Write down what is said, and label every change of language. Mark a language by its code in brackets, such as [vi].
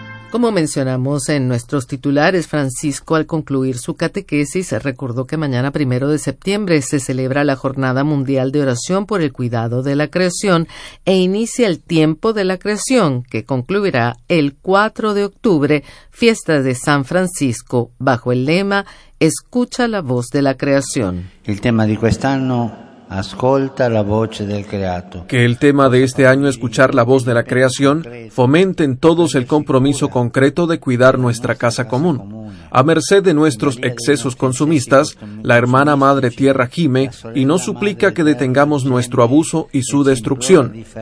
[es] Como mencionamos en nuestros titulares, Francisco, al concluir su catequesis, recordó que mañana 1 de septiembre se celebra la Jornada Mundial de Oración por el Cuidado de la Creación e inicia el Tiempo de la Creación, que concluirá el 4 de octubre, fiesta de San Francisco, bajo el lema Escucha la voz de la creación. [it] El tema de quest'anno, ascolta la voce del creato. [es] Que el tema de este año, escuchar la voz de la creación, fomente en todos el compromiso concreto de cuidar nuestra casa común. A merced de nuestros excesos consumistas, la hermana Madre Tierra gime y nos suplica que detengamos nuestro abuso y su destrucción.